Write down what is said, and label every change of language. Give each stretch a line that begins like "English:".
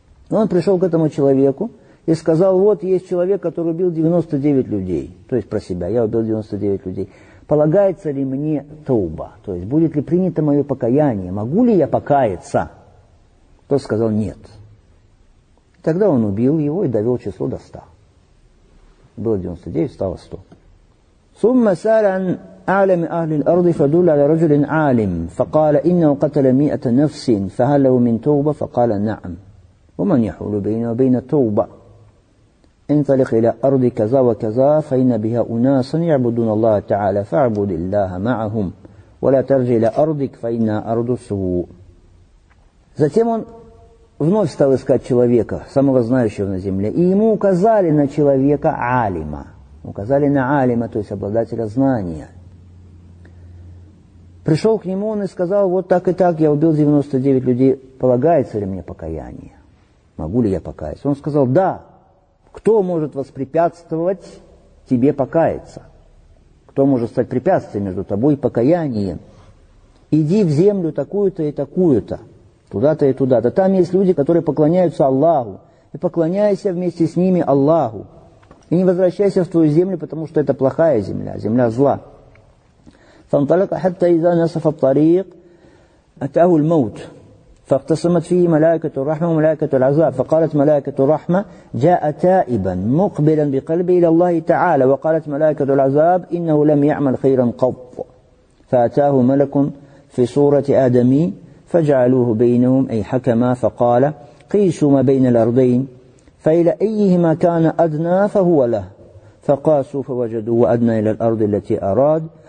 Russian: Но он пришел к этому человеку и сказал: вот есть человек, который убил 99 людей. То есть про себя. Я убил 99 людей. Полагается ли мне тауба? То есть будет ли принято мое покаяние? Могу ли я покаяться? Тот сказал: нет. Тогда он убил его и довел число до 100. Было 99, стало 100. Сумма саран
Arabic: أعلم أهل الأرض فدل على رجل عالم فقال إنه قتل 100 نفس فهل له من توبة فقال نعم ومن يحول بينه وبين توبة انطلق إلى أرض كذا وكذا فإن بها أناسا يعبدون الله تعالى فاعبد الله معهم ولا ترجع إلى أرضك فإن أرض سوء.
Russian: Затем он вновь стал искать человека, самого знающего на земле, и ему указали на человека عالما, указали на عالما, то есть обладателя знания. Пришел к нему он и сказал: вот так и так, я убил 99 людей, полагается ли мне покаяние? Могу ли я покаяться? Он сказал: да, кто может воспрепятствовать тебе покаяться? Кто может стать препятствием между тобой и покаянием? Иди в землю такую-то и такую-то, туда-то и туда-то. Там есть люди, которые поклоняются Аллаху, и поклоняйся вместе с ними Аллаху. И не возвращайся в твою землю, потому что это плохая земля, земля зла.
Arabic: فانطلق حتى إذا نصف الطريق أتاه الموت فاقتسمت فيه ملائكة الرحمة وملائكة العذاب فقالت ملائكة الرحمة جاء تائبا مقبلا بقلبه إلى الله تعالى وقالت ملائكة العذاب إنه لم يعمل خيرا قط فأتاه ملك في صورة آدمي فجعلوه بينهم أي حكما فقال قيسوا ما بين الأرضين فإلى أيهما كان أدنى فهو له فقاسوا فوجدوا وأدنى إلى الأرض التي أراد.